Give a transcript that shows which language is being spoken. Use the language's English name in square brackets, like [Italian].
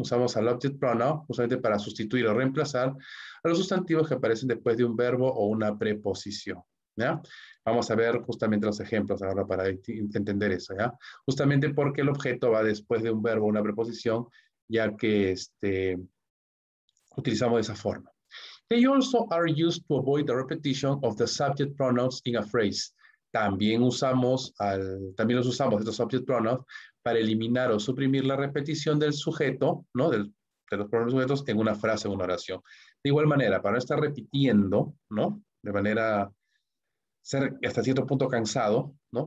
[Spanish] Usamos al object pronoun justamente para sustituir o reemplazar a los sustantivos que aparecen después de un verbo o una preposición. ¿Ya? Vamos a ver justamente los ejemplos ahora para entender eso, ¿ya? Justamente porque el objeto va después de un verbo o una preposición, ya que utilizamos de esa forma. [English] They also are used to avoid the repetition of the subject pronouns in a phrase. [Spanish] También los usamos estos subject pronouns para eliminar o suprimir la repetición del sujeto, ¿no? De los pronombres sujetos en una frase o una oración. De igual manera, para no estar repitiendo, ¿no? De manera ser hasta cierto punto cansado, ¿no?